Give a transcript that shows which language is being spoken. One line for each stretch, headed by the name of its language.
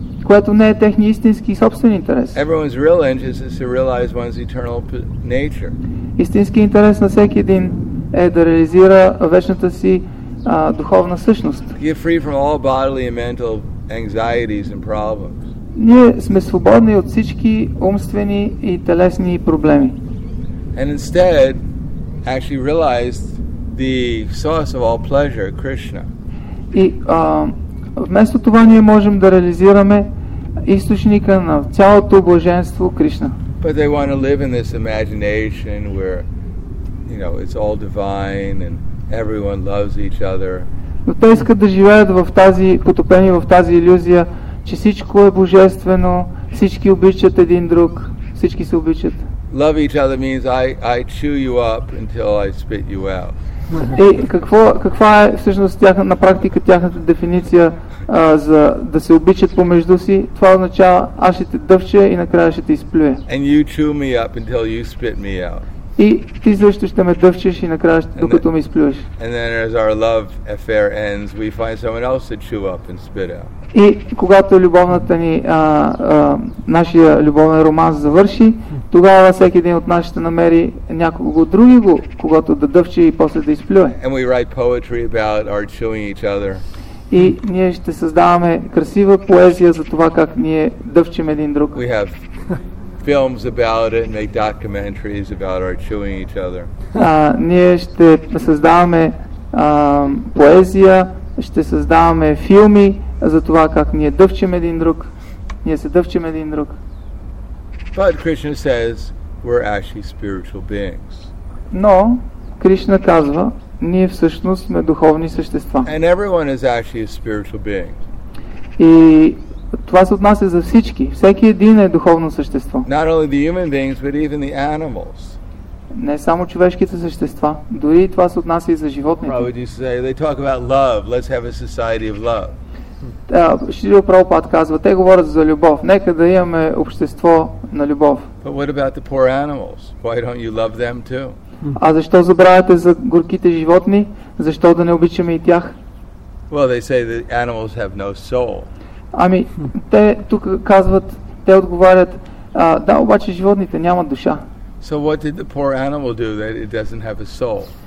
Bulgarian: Което не е техния истински собствен интерес.
English: Everyone's real interest is to realize one's eternal nature.
Bulgarian: Истински интерес на всеки един е да реализира вечната си духовна същност.
English: Get free from all bodily and mental anxieties and problems.
Bulgarian: Ние сме свободни от всички умствени и телесни проблеми.
English: And instead actually realized the source of all pleasure, Krishna.
Bulgarian: И вместо това ние можем да реализираме източника на цялото блаженство, Кришна.
English: But they want to live in this imagination where, you know, it's all divine and everyone loves each other.
Bulgarian: Но те искат да живеят в тази, потопени в тази илюзия, че всичко е божествено, всички обичат един друг, всички се обичат.
English: Love each other means I chew you up until I spit you out.
Bulgarian: И каква е всъщност на практика тяхната дефиниция за да се обичат помежду си? Това означава аз ще те дъвча и накрая ще те изплюя.
English: And you chew me up until you spit me out.
Bulgarian: И ти също ще ме дъвчеш и накрая, докато ме изплюеш.
English: And then as our love affair ends, we find someone else to chew up and spit out.
Bulgarian: И когато любовната ни, нашия любовен роман завърши, тогава всеки един от нас ще намери някого другиго, когато да дъвче и после да изплюе.
English: And we write poetry about our chewing each other.
Bulgarian: И ние ще създаваме красива поезия за това как ние дъвчим един друг.
English: We have films about it, make documentaries about our chewing each other.
Bulgarian: Ние ще създаваме поезия, ще създаваме филми за това как ние дъвчим един друг. Ние се дъвчим един друг.
English: But Krishna says we're actually spiritual beings.
Bulgarian: Но Кришна казва, ние всъщност сме духовни същества.
English: And everyone is actually a spiritual being.
Bulgarian: И това се отнася за всички. Всеки един е духовно същество.
English: Not only the human beings, but even the animals.
Bulgarian: Не само човешките същества, дори това се отнася и за животните.
English: Prabhupada used to say, they talk about love. Let's have a society of love.
Bulgarian: Шрила Прабхупад казва, те говорят за любов. Нека да имаме общество на любов.
English: But what about the poor animals? Why don't you love them too?
Bulgarian: А защо забравяте за горките животни? Защо да не обичаме и тях?
English: Well, they say that animals have no soul.
Bulgarian: Ами, те тук казват, те отговарят, да, обаче животните нямат душа.
English: So what did the poor animal do that it doesn't have a soul?